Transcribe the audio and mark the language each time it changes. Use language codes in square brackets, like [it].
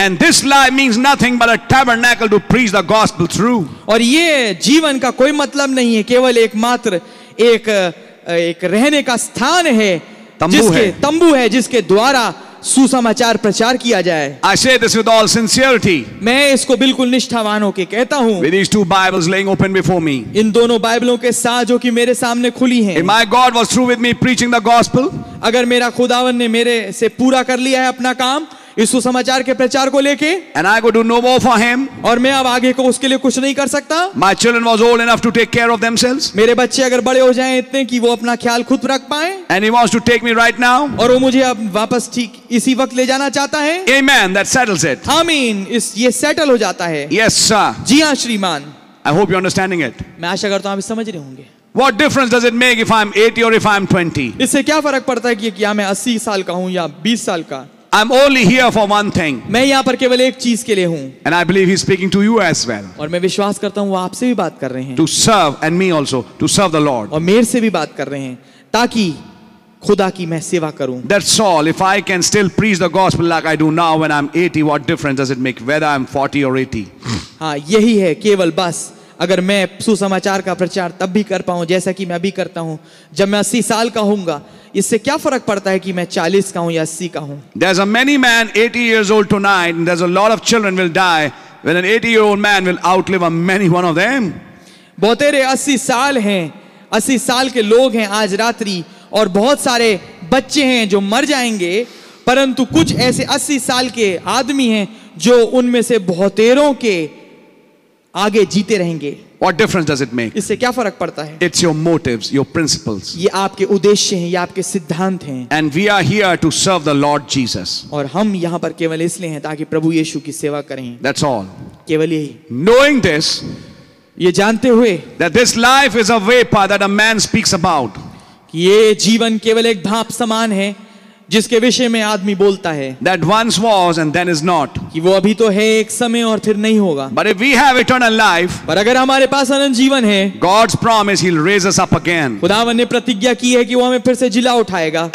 [en] And this life means nothing but a tabernacle to preach the gospel through. [hi] और ये जीवन का कोई मतलब नहीं है केवल एकमात्र एक एक रहने का स्थान है तंबू है जिसके द्वारा सुसमाचार प्रचार किया जाए. [en] I say this with all sincerity. [hi] मैं इसको बिल्कुल निष्ठावान होकर कहता हूँ. [en] With these two Bibles laying open before me. [hi] इन दोनों बाइबलों के साथ जो कि मेरे सामने खुली हैं. [en] If my God was through with me preaching the gospel. [hi] अगर मेरा खुदावन ने मेरे से पूरा कर लिया है अपना काम इस सुसमाचार के प्रचार को लेके. [en] And I could do no more for him. [hi] और मैं अब आगे को उसके लिए कुछ नहीं कर सकता. [en] My children was old enough to take care of themselves. [hi] मेरे बच्चे अगर बड़े हो जाएं इतने कि वो अपना ख्याल खुद रख पाए. [en] And he wants to take me right now. [hi] और वो मुझे अब वापस ठीक इसी वक्त ले जाना चाहता है. [en] Amen. That settles it. [hi] आमीन. ये सेटल हो जाता है. [en] Yes, sir. [hi] जी हाँ श्रीमान. [en] I hope you're understanding it. [hi] मैं आशा करता हूँ आप समझ रहे होंगे. [en] What difference does it make if I'm 80 or if I'm 20? [hi] इससे क्या फर्क पड़ता है कि क्या मैं 80 साल का हूँ या 20 साल का. [en] I'm only here for one thing. [hi] मैं यहाँ पर केवल एक चीज के लिए हूँ. [en] And I believe he's speaking to you as well. [hi] और मैं विश्वास करता हूँ वो आपसे भी बात कर रहे हैं. [en] To serve and me also to serve the Lord. [hi] और मेरे से भी बात कर रहे हैं ताकि खुदा की मैं सेवा करूं. [en] That's all. If I can still preach the gospel like I do now when I'm 80, what difference does it make whether I'm 40 or 80? [hi] हाँ, यही है केवल बस. अगर मैं सुसमाचार का प्रचार तब भी कर पाऊं जैसा कि मैं अभी करता हूं जब मैं 80 साल का होऊंगा, इससे क्या फर्क पड़ता है कि मैं 40 का हूं या 80 का हूं? [en] There's a many man 80 years old tonight, and there's a lot of children will die when an 80 year old man will outlive a many one of them. [hi] बहुत सारे 80 साल हैं, 80 साल के लोग हैं आज रात्रि, और बहुत सारे बच्चे हैं जो मर जाएंगे, परंतु कुछ ऐसे 80 साल के आदमी हैं जो उनमें से बहुतेरों के आगे जीते रहेंगे. [en] What difference does it make? [hi] इससे क्या फर्क पड़ता है? [en] It's your motives, your principles. [hi] ये आपके उद्देश्य हैं, ये आपके सिद्धांत हैं. [en] And we are here to serve the Lord Jesus. [hi] और हम यहाँ पर केवल इसलिए हैं ताकि प्रभु यीशु की सेवा करें. [en] That's all. [hi] केवल यही. [en] Knowing this, [hi] ये जानते हुए, [en] that this life is a vapor that a man speaks about. [hi] ये जीवन केवल एक भाप समान है जिसके विषय में आदमी बोलता है. [en] That once was and then is not. [hi] कि वो अभी तो है एक समय और फिर नहीं होगा. [en] But if we have eternal life, [hi] पर अगर हमारे पास अनंत जीवन है, [en] God's promise, He'll raise us up again. [hi] खुदावन ने प्रतिज्ञा की है कि वो हमें फिर से जिला उठाएगा.